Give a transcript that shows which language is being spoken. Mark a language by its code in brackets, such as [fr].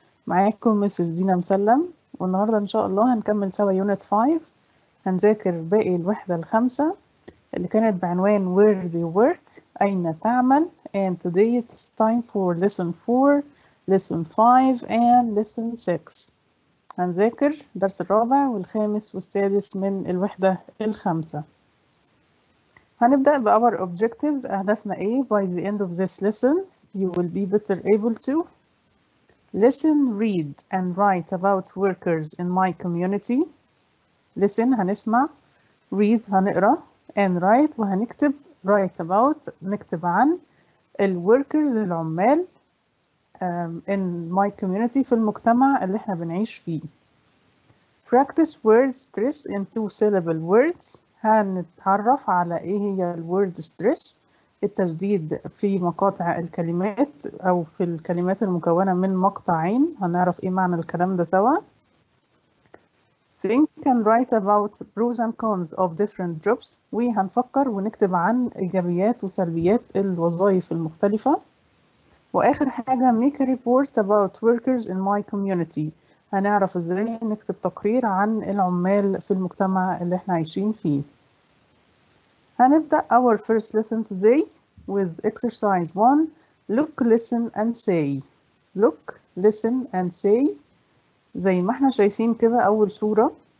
[ar] معاكم مسز دينا مسلم، والنهاردة إن شاء الله هنكمل سوا يونت 5، هنذاكر باقي الوحدة الخامسة اللي كانت بعنوان [en] Where do you work؟ [ar] أين تعمل؟ [en] And today it's time for lesson 4, lesson 5, and lesson 6. [ar] هنذاكر الدرس الرابع والخامس والسادس من الوحدة الخامسة. هنبدأ بـ [en] our objectives، [ar] أهدافنا إيه. [en] By the end of this lesson you will be better able to listen, read and write about workers in my community. [ar] Listen هنسمع، read هنقرأ، [en] and write [ar] وهنكتب، [en] write about [ar] نكتب عن الـ workers العمال [en] in my community [ar] في المجتمع اللي احنا بنعيش فيه. [en] Practice word stress in two syllable words. [ar] هنتعرف على ايه هي word stress، التشديد في مقاطع الكلمات او في الكلمات المكونة من مقطعين. هنعرف ايه معنى الكلام ده سوا. [en] Think and write about pros and cons of different jobs. [ar] وهنفكر ونكتب عن ايجابيات وسلبيات الوظائف المختلفة. وآخر حاجة [en] make a report about workers in my community. [ar] هنعرف ازاي نكتب تقرير عن العمال في المجتمع اللي احنا عايشين فيه. هنبدأ [en] our first lesson today with exercise 1. Look, listen and say. Look, listen and say. [ar] زي ما احنا شايفين كده أول صورة.